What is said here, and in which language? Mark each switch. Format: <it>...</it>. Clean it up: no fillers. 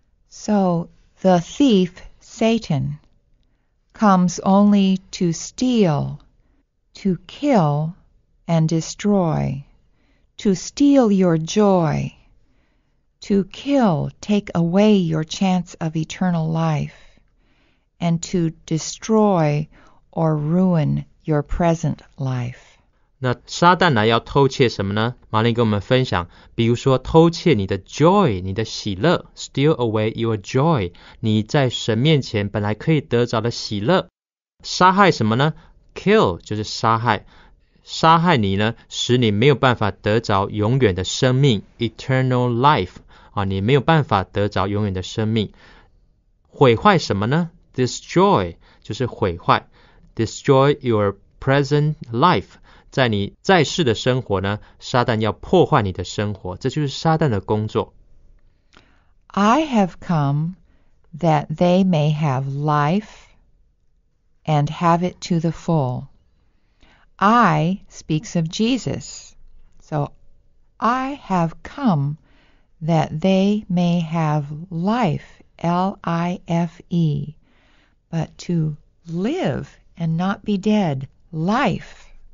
<en>So, the thief, Satan, comes only to steal, to kill, and destroy, to steal your joy, to To kill, take away your chance of eternal life, and to destroy or ruin your present life.</en> <zh>那撒旦来要偷窃什么呢？玛琳跟我们分享，比如说偷窃你的 joy， 你的喜乐，</zh> <en>steal away your joy，</en> <zh>你在神面前本来可以得着的喜乐。杀害什么呢？ kill 就是杀害，杀害你呢，使你没有办法得着永远的生命， eternal life 啊，你没有办法得着永远的生命。毁坏什么呢？ destroy 就是毁坏，</zh> <en>destroy your present life，</en> <zh>在你在世的生活呢，撒旦要破坏你的生活，这就是撒旦的工作。</zh> <en>I have come that they may have life and have it to the full. I speaks of Jesus. So I have come that they may have life, L-I-F-E, but to live and not be dead, life.</en>